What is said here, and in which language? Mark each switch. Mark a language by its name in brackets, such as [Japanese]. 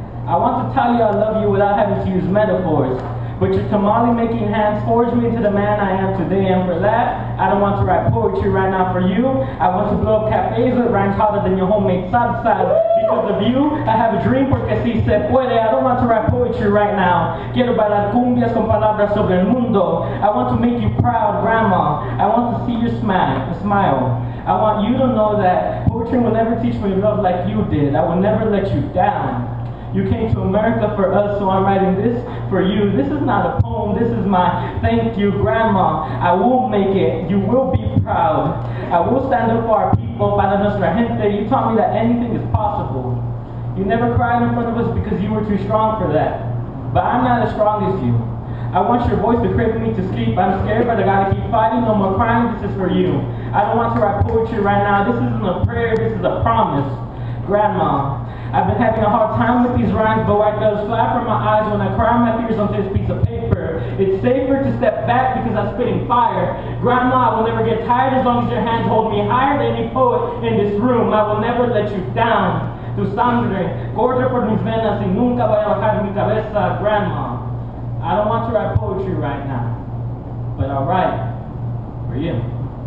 [English] I want to tell you I love you without having to use metaphors, but your tamale-making hands forged me into the man I am today, and for that, I don't want to write poetry right now for you. I want to blow up cafes that rhyme hotter than your homemade salsa. Because of you, I have a dream, [Spanish] porque si se puede. [English] I don't want to write poetry right now. [Spanish] Quiero bailar cumbias con palabras sobre el mundo. [English] I want to make you proud, grandma. I want to see your smile. I want you to know that poetry will never teach me love like you did. I will never let you down. You came to America for us, so I'm writing this for you. This is not a poem, this is my thank you, grandma. I will make it, you will be proud. I will stand up for our people, [Spanish] para nuestra gente. [English] You taught me that anything is possible. You never cried in front of us because you were too strong for that. But I'm not as strong as you. I want your voice to cripple me to sleep. I'm scared, but I gotta keep fighting. No more crying, this is for you. I don't want to write poetry right now. This isn't a prayer, this is a promise. Grandma, I've been having a hard time with these rhymes, but white doves fly from my eyes when I cry my fears on this piece of paper. It's safer to step back because I'm spitting fire. Grandma, I will never get tired as long as your hands hold me higher than any poet in this room. I will never let you down. [Spanish] Tu sangre, corre por mis venas y nunca voy a bajar mi cabeza. [English] Grandma, I don't want to write poetry right now, but I'll write for you.